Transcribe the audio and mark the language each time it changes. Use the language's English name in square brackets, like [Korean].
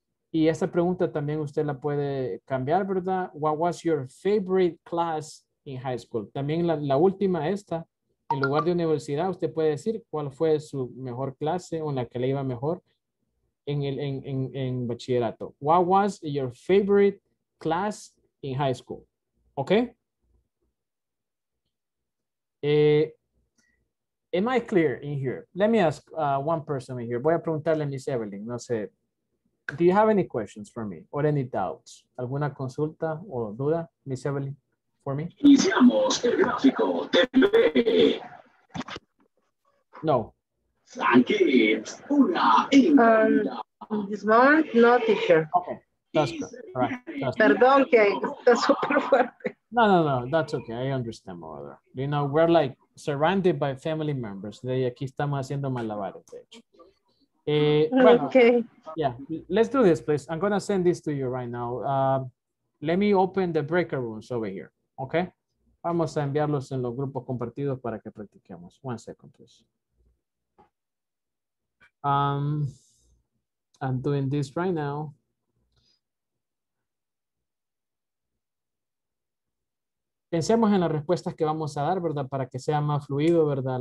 [Spanish] Y esa pregunta también usted la puede cambiar, ¿verdad? [English] What was your favorite class in high school? [Spanish] También la última, esta, en lugar de universidad, usted puede decir cuál fue su mejor clase o la que le iba mejor en bachillerato. [English] What was your favorite class in high school? ¿Ok? Am I clear in here? Let me ask one person in here. [Spanish] Voy a preguntarle a Miss Evelyn, no sé. [English] Do you have any questions for me or any doubts? [Spanish] ¿Alguna consulta o duda, Miss Evelyn, [English] for me? [Spanish] Iniciamos el gráfico TV. No. [English] Thank you. This moment, no teacher. Okay, that's good. All right. That's [Spanish] perdón, [English] good. [Spanish] Que está súper fuerte. [English] No, that's okay. I understand, mother. You know, we're like surrounded by family members. [Spanish] De aquí estamos haciendo malabares, de hecho. [English] Let's do this, please. I'm going to send this to you right now. Let me open the breaker rooms over here, okay? [Spanish] Vamos a enviarlos en los grupos compartidos para que practiquemos. [English] One second, please. I'm doing this right now. [Spanish] pensemos en las respuestas que vamos a dar, ¿verdad? Para que sea más fluido, ¿verdad?